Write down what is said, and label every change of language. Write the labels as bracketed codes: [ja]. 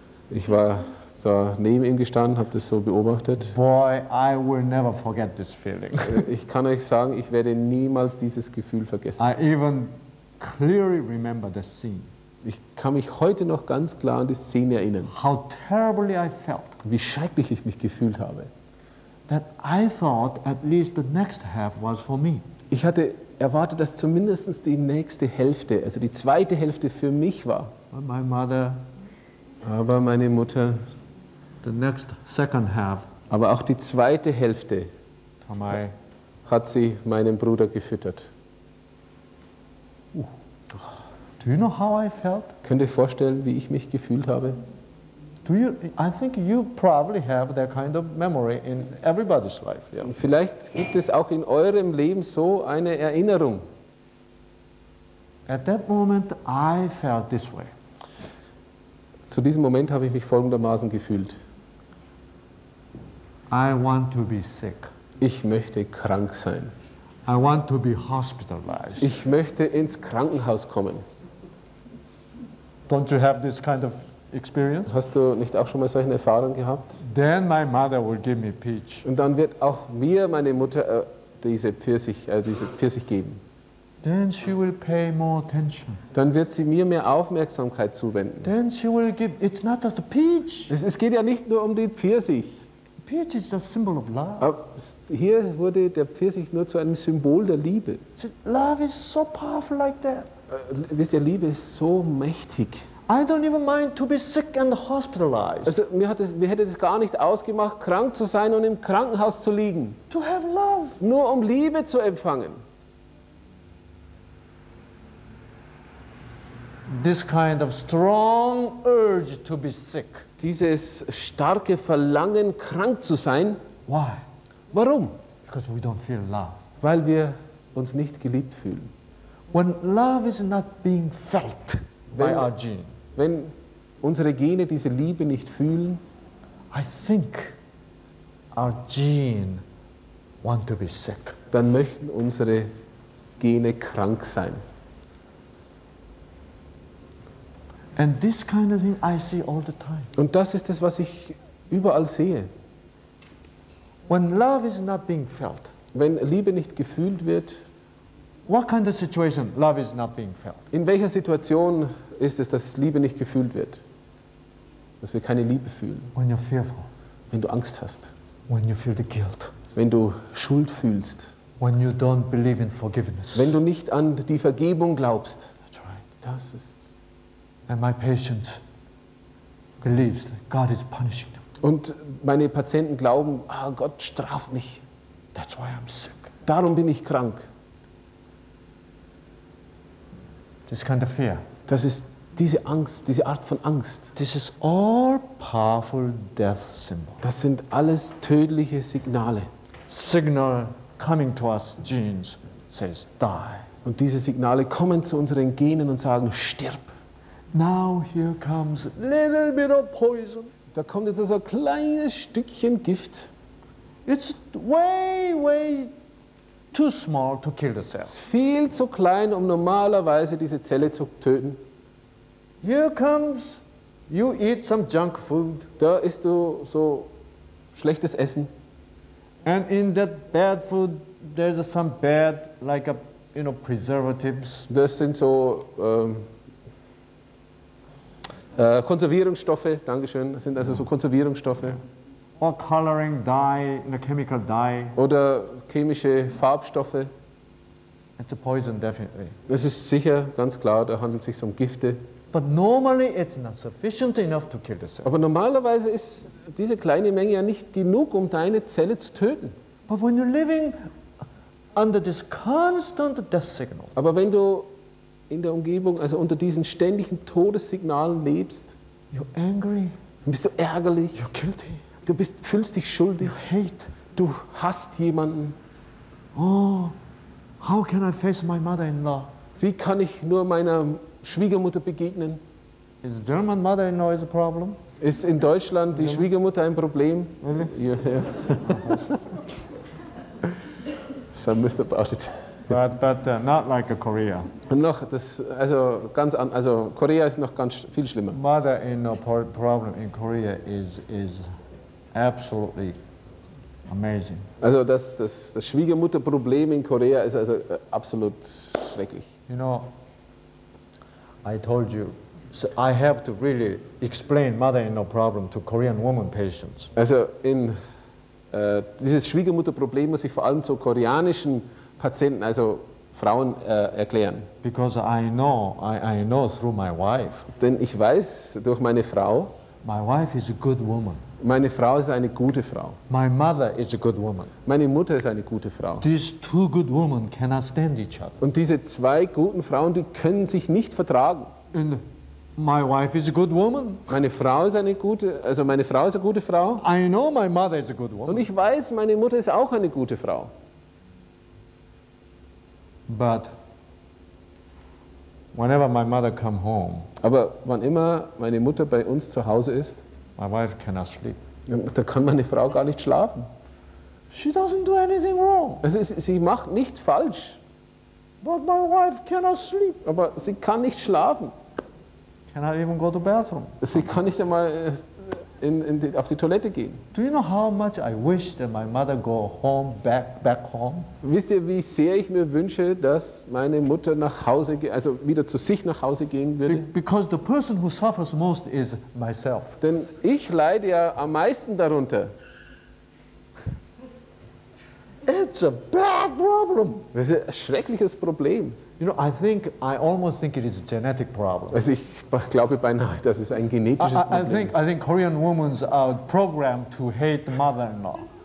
[de] Ich war so neben ihm gestanden, habe das so beobachtet. [en] Boy, I will never forget this feeling. [de] Ich kann euch sagen, ich werde niemals dieses Gefühl vergessen. [en] I even clearly remember the scene. [de] Ich kann mich heute noch ganz klar an die Szene erinnern. [en] How terribly I felt. [de] Wie schrecklich ich mich gefühlt habe. [en] That I thought at least the next half was for me. [de] Ich hatte erwartet, dass zumindest die nächste Hälfte, also die zweite Hälfte für mich war. [en] But my mother. [de] Aber meine Mutter, [en] the next second half, [de] aber auch die zweite Hälfte Tomei, hat sie meinem Bruder gefüttert. [en] Do you know how I felt? [de] Könnt ihr vorstellen, wie ich mich gefühlt habe? [en] I think you probably have that kind of memory in everybody's life. Yeah. [de] Vielleicht gibt es auch in eurem Leben so eine Erinnerung. [en] At that moment I felt this way. [de] Zu diesem Moment habe ich mich folgendermaßen gefühlt. [en] I want to be sick. [de] Ich möchte krank sein. [en] I want to be hospitalized. [de] Ich möchte ins Krankenhaus kommen. [en] Don't you have this kind of experience? [de] Hast du nicht auch schon mal solche Erfahrungen gehabt? [en] Then my mother will give me peach. [de] Und dann wird auch mir meine Mutter diese Pfirsich geben. [en] Then she will pay more attention. [de] Dann wird sie mir mehr Aufmerksamkeit zuwenden. [en] Then she will give. It's not just a peach. [de] Es geht ja nicht nur um die Pfirsich. [en] Peach is a symbol of love. [de] Hier wurde der Pfirsich nur zu einem Symbol der Liebe. [en] Love is so powerful like that. [de] Wisst ihr, Liebe ist so mächtig. [en] I don't even mind to be sick and hospitalized. [de] Also mir hätte es gar nicht ausgemacht, krank zu sein und im Krankenhaus zu liegen. [en] To have love. [de] Nur um Liebe zu empfangen. [en] This kind of strong urge to be sick. [de] Dieses starke Verlangen, krank zu sein. [en] Why? [de] Warum? [en] Because we don't feel love. [de] Weil wir uns nicht geliebt fühlen. [en] When love is not being felt by our gene. [de] Wenn unsere Gene diese Liebe nicht fühlen. [en] I think our gene want to be sick. [de] Dann möchten unsere Gene krank sein. [en] And this kind of thing I see all the time. [de] Und das ist es, was ich überall sehe. [en] When love is not being felt. [de] Wenn Liebe nicht gefühlt wird. [en] What kind of situation love is not being felt? [de] In welcher Situation ist es, dass Liebe nicht gefühlt wird? Dass wir keine Liebe fühlen? [en] When you're fearful. [de] Wenn du Angst hast. [en] When you feel the guilt. [de] Wenn du Schuld fühlst. [en] When you don't believe in forgiveness. [de] Wenn du nicht an die Vergebung glaubst. [en] That's right. [de] Das ist. [en] And my patient believes that God is punishing them. [de] Und meine Patienten glauben, ah, Gott straft mich. [en] That's why I'm sick. [de] Darum bin ich krank. [en] This kind of fear. [de] Das ist diese Angst, diese Art von Angst. [en] This is all powerful death symbol. [de] Das sind alles tödliche Signale. [en] Signal coming to us genes says die. [de] Und diese Signale kommen zu unseren Genen und sagen stirb. [en] Now here comes a little bit of poison. [de] Da kommt jetzt also ein kleines Stückchen Gift. [en] It's way, way too small to kill the cell. [de] Es ist viel zu klein, um normalerweise diese Zelle zu töten. [en] Here comes, you eat some junk food. [de] Da isst du so schlechtes Essen. [en] And in that bad food, there's some bad, like a, you know, preservatives. [de] Das sind so Konservierungsstoffe, dankeschön, sind also so Konservierungsstoffe. [en] Or coloring dye, in a chemical dye. [de] Oder chemische Farbstoffe. [en] It's a poison, definitely. [de] Das ist sicher, ganz klar, da handelt es sich um Gifte. [en] But normally it's not sufficient enough to kill the cell. [de] Aber normalerweise ist diese kleine Menge ja nicht genug, um deine Zelle zu töten. [en] But when you're living under this constant death signal. [de] Aber wenn du in der Umgebung, also unter diesen ständigen Todessignalen lebst. [en] You're angry. [de] Bist du ärgerlich. [en] You're guilty. [de] Du bist, fühlst dich schuldig. [en] You hate. [de] Du hasst jemanden. [en] Oh, how can I face my mother-in-law? [de] Wie kann ich nur meiner Schwiegermutter begegnen? [en] Is German mother-in-law is a problem? [de] Ist in Deutschland die Schwiegermutter ein Problem? [en] Really? Yeah. So I missed about it. But not like a Korea. [de] Noch das, also ganz an, also Korea ist noch ganz viel schlimmer. [en] Mother-in-law problem in Korea is absolutely amazing. [de] Also das Schwiegermutterproblem in Korea ist also absolut schrecklich. [en] You know, I told you, so I have to really explain mother-in-law problem to Korean woman patients. [de] Also in dieses Schwiegermutterproblem muss ich vor allem zu koreanischen Patienten, also Frauen, erklären. [en] Because I know through my wife. [de] Denn ich weiß durch meine Frau. [en] My wife is a good woman. [de] Meine Frau ist eine gute Frau. [en] My mother is a good woman. [de] Meine Mutter ist eine gute Frau. [en] These two good women cannot stand each other. [de] Und diese zwei guten Frauen, die können sich nicht vertragen. [en] And my wife is a good woman. [de] Meine Frau ist eine gute, also meine Frau ist eine gute Frau. [en] I know my mother is a good woman. [de] Und ich weiß, meine Mutter ist auch eine gute Frau. [en] But whenever my mother come home, [de] aber wann immer meine Mutter bei uns zu Hause ist, [en] my wife cannot sleep. [de] Da kann meine Frau gar nicht schlafen. [en] She doesn't do anything wrong. [de] Also sie macht nichts falsch. [en] But my wife cannot sleep. [de] Aber sie kann nicht schlafen. [en] Cannot even go to bathroom. [de] Sie kann nicht einmal auf die Toilette gehen. [en] Do you know how much I wish that my mother go home back home? [de] Wisst ihr, wie sehr ich mir wünsche, dass meine Mutter nach Hause, also wieder zu sich nach Hause gehen würde? [en] Because the person who suffers most is myself. [de] Denn ich leide ja am meisten darunter. [en] It's a bad problem. [de] Das ist ein schreckliches Problem. [en] You know, I almost think it is a genetic problem. [de] Also ich glaube beinahe, dass es ein genetisches Problem ist. [en] I think Korean women are programmed to hate the mother-in-law.